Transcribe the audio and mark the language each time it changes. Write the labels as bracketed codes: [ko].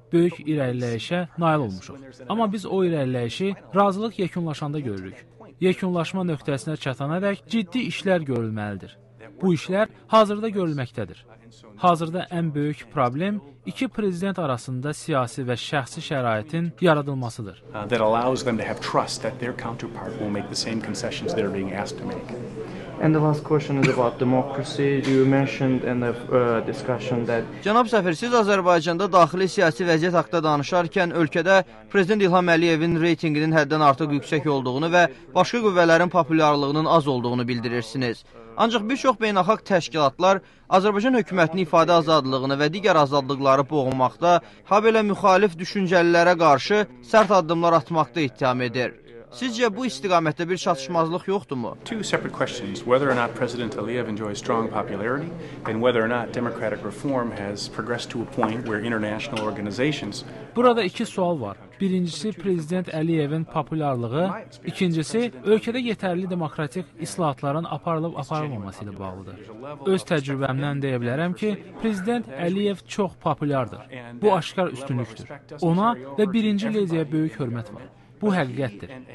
[az] Böyük irəliləyişə nail olmuşuq. Amma biz o irəliləyişi razılıq yekunlaşanda görürük. Yekunlaşma nöqtəsinə çatana dək ciddi işlər görülməlidir. Bu işlər hazırda görülməkdədir. Hazırda ən böyük problem iki prezident arasında siyasi və şəxsi şəraitin yaradılmasıdır. [en] That allows them to have trust that their counterpart will make the same concessions they're being asked to make. And the last question is about democracy. You mentioned in the discussion that [az] Cənab Səfir, siz Azərbaycanda daxili siyasi vəziyyət haqqında danışarkən ölkədə prezident İlham Əliyevin reytinginin həddən artıq yüksək olduğunu və başqa qüvvələrin populyarlığının az olduğunu bildirirsiniz. Ancaq bir çox beynəlxalq təşkilatlar Azərbaycan hökumətinin ifadə azadlığını və digər azadlıqları boğmaqda, habelə müxalif düşüncəlilərə qarşı sərt addımlar atmaqda ittiham edir. Sizcə bu istiqamətdə bir çatışmazlıq yoxdur mu? [en] Two separate questions, whether or not President Aliyev enjoys strong popularity and whether or not democratic reform has progressed to a point where international organizations. [az] Burada iki sual var. Birincisi Prezident Əliyevin populyarlığı, ikincisi ölkədə yetərli demokratik islahatların aparılıb-aparılmaması ilə bağlıdır. Öz təcrübəmdən deyə bilərəm ki, Prezident Əliyev çox populyardır. Bu aşkar üstünlükdür. Ona və birinci lediyə böyük hörmət var. Bu həqiqətdir.